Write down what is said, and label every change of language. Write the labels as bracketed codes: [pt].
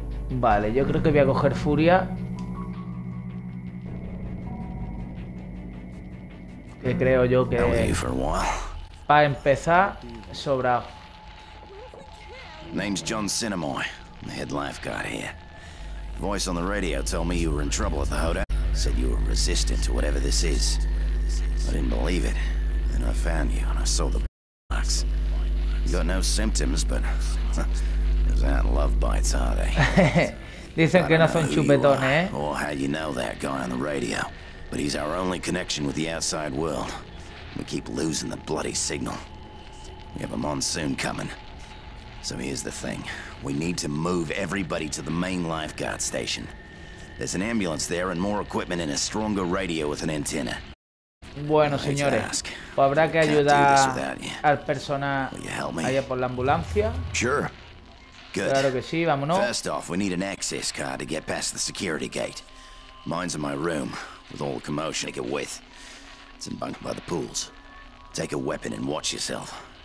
[es] Vale, yo creo que voy a coger furia. Que creo yo que para empezar, sobrado. [en] Name's John Cinnamoy, head lifeguard here. Voice on the radio told me you were in trouble at the hotel. Said you were resistant to whatever this is. I didn't believe it. Then I found you and I saw the box. You got no symptoms, but those aren't love bites, are they? [es] Dicen que no son chupetones, eh? [en] Or how you know that guy on the radio. But he's our only connection with the outside world. We keep losing the bloody signal. We have a monsoon coming. So here's the thing. We need to move everybody to the main lifeguard station. There's an ambulance there and more equipment and a stronger radio with an antenna. [es] Bueno, señores, pues habrá que ayudar al personal allá por la ambulancia. [en] Sure. Good. [es] Claro que sí, vámonos. [en] First off, we need an access card to get past the security gate. Mine's in my room, with all the commotion to get with. It's in bunk by the pools. Take a weapon and watch yourself.